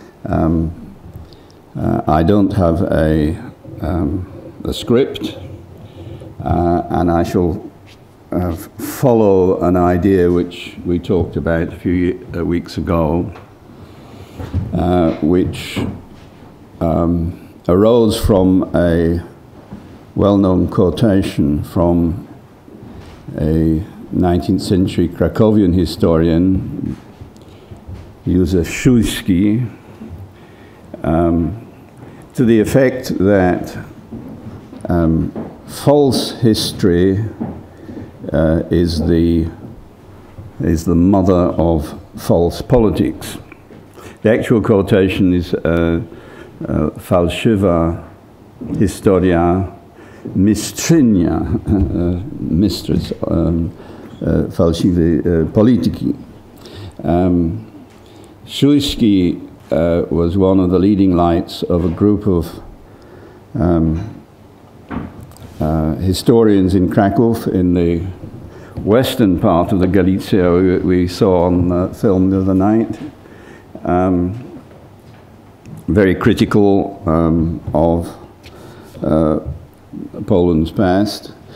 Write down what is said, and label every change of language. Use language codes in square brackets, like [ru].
[en] I don't have a script, and I shall follow an idea which we talked about a few weeks ago, which arose from a well-known quotation from a 19th century Cracovian historian, Józef Szulski, to the effect that false history is the mother of false politics. The actual quotation is [pl] falszywa historia mistrzynia, [en] mistress, [pl] falszywej polityki. [en] Szulski was one of the leading lights of a group of historians in Kraków in the western part of the Galicia we saw on the film the other night, very critical of Poland's past.